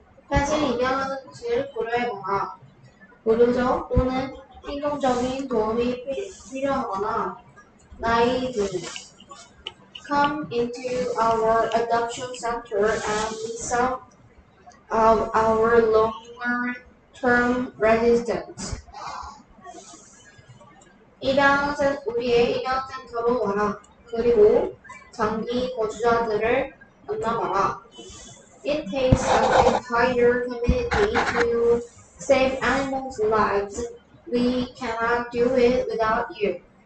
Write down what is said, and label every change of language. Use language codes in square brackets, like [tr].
[ko] 펫을 입양하는 것을 고려해보라. 의료적 또는 행동적인 도움이 필요하거나 나이 등. [en] Come into our adoption center and some of our long-term residents. [ko] 우리의 입양센터로 와라. 그리고 장기 거주자들을 만나봐라. [en] It takes an entire community to save animals' lives. We cannot do it without you.